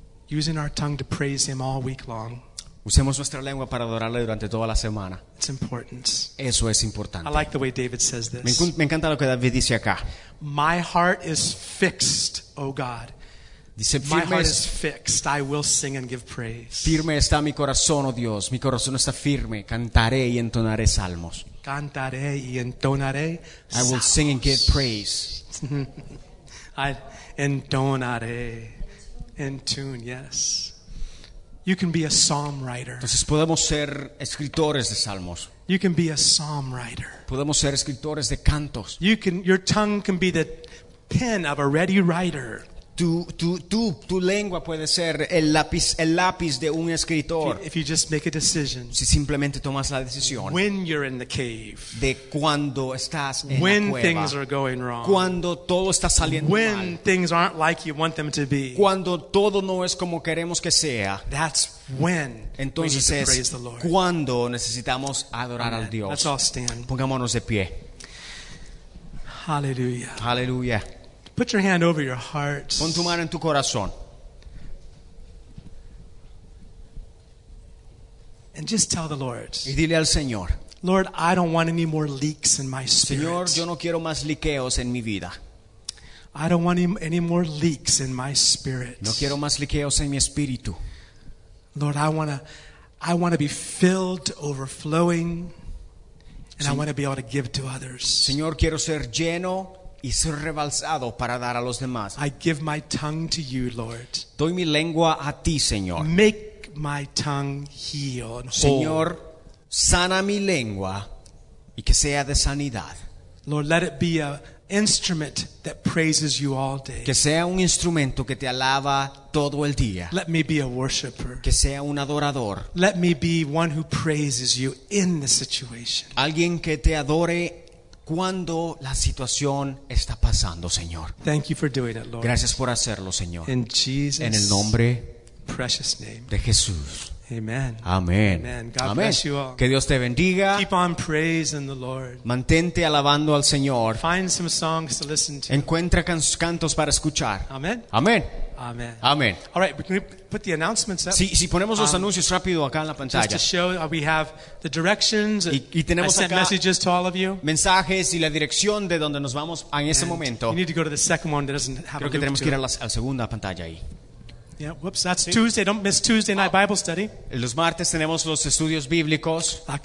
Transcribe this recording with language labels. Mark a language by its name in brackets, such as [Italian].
[English] using our tongue to praise him all week long. [Spanish] Usemos nuestra lengua para adorarle durante toda la semana. [English] It's important. [Spanish] Eso es importante. [English] I like the way David says this. [Spanish] Me encanta lo que David dice acá. [English] My heart is fixed, oh God. [Spanish] Dice, [English] my heart is fixed. I will sing and give praise. [Spanish] Firme está mi corazón, oh Dios. Mi corazón está firme. Cantaré y entonaré salmos. Cantaré y entonaré salmos. [English] I will sing and give praise. I [Spanish] entonaré. [English] In tune, yes. You can be a psalm writer. [Spanish] Entonces podemos ser escritores de salmos. [English] You can be a psalm writer. [Spanish] Podemos ser escritores de cantos. [English] You can, your tongue can be the pen of a ready writer. [Spanish] Tu lengua puede ser el lápiz de un escritor. [English] If you just make a decision. [Spanish] Si simplemente tomas la decisión. [English] When you're in the cave. [Spanish] De cuando estás en la cueva. [English] When things are going wrong. [Spanish] Cuando todo está saliendo [English] when [Spanish] mal. [English] When things aren't like you want them to be. [Spanish] Cuando todo no es como queremos que sea. [English] That's when. [Spanish] Entonces [English] we need [Spanish] es [English] to praise the Lord. [Spanish] Cuando necesitamos adorar [English] amen [Spanish] al Dios. [English] Let's all stand. [Spanish] Pongámonos de pie. [English] Hallelujah. Hallelujah. Put your hand over your heart. [Spanish] Pon tu mano en tu corazón. [English] And just tell the Lord. [Spanish] Y dile al Señor. [English] Lord, I don't want any more leaks in my spirit. [Spanish] Señor, yo no quiero más liqueos en mi vida. [English] I don't want any more leaks in my spirit. [Spanish] No quiero más liqueos en mi espíritu. [English] Lord, I want to be filled overflowing and I want to be able to give to others. [Spanish] Señor, quiero ser lleno y ser rebalsado para dar a los demás. [English] I give my tongue to you, Lord. [Spanish] Doy mi lengua a ti, Señor. [English] Make my tongue heal. [Spanish] Señor, sana mi lengua y que sea de sanidad. [English] Lord, let it be an instrument that praises you all day. [Spanish] Que sea un instrumento que te alaba todo el día. [English] Let me be a worshiper. [Spanish] Que sea un adorador. [English] Let me be one who praises you in the situation. [Spanish] Alguien que te adore cuando la situación está pasando, Señor. [English] Thank you for doing it, Lord. [Spanish] Gracias por hacerlo, Señor. [English] In Jesus, [Spanish] en el nombre [English] precious name [Spanish] de Jesús. [English] Amen. [Spanish] Amén. [English] Amen. God Amen bless you all. [Spanish] Que Dios te bendiga. [English] Keep on praising the Lord. [Spanish] Mantente alabando al Señor. [English] Find some songs to listen to. [Spanish] Encuentra cantos para escuchar. [English] Amen. Amen. Amen. Amen. All right, can we put the announcements up? [Spanish] Si ponemos los anuncios rápido acá en la pantalla. [English] Just to show we have the directions. [Spanish] Y tenemos [English] I sent messages to all of you. [Spanish] Mensajes y la dirección de donde nos vamos en ese [English] and [Spanish] momento. [English] You need to go to the second one that doesn't have a loop [Spanish] creo que tenemos [English] to [Spanish] que ir a la segunda pantalla ahí. [English] Yeah, whoops, that's Tuesday. Don't miss Tuesday night Bible study. [Spanish] Los martes tenemos los estudios bíblicos.